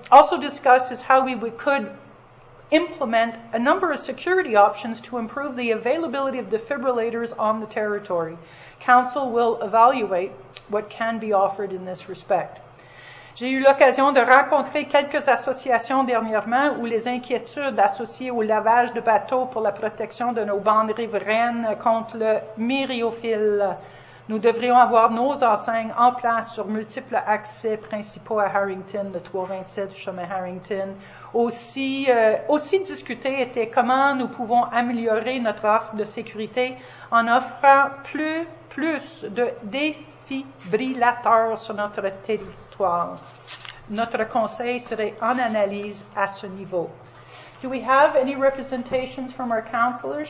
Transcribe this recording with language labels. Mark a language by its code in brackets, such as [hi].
[en] Also discussed is how we could implement a number of security options to improve the availability of defibrillators on the territory. Council will evaluate what can be offered in this respect. [fr] J'ai eu l'occasion de rencontrer quelques associations dernièrement où les inquiétudes associées au lavage de bateaux pour la protection de nos bandes riveraines contre le myriophile. Nous devrions avoir nos enseignes en place sur multiples accès principaux à Harrington, le 327 chemin Harrington. Aussi discuté était comment nous pouvons améliorer notre offre de sécurité en offrant plus de défibrillateurs sur notre territoire. Notre conseil serait en analyse à ce niveau. [en] Do we have any representations from our counselors?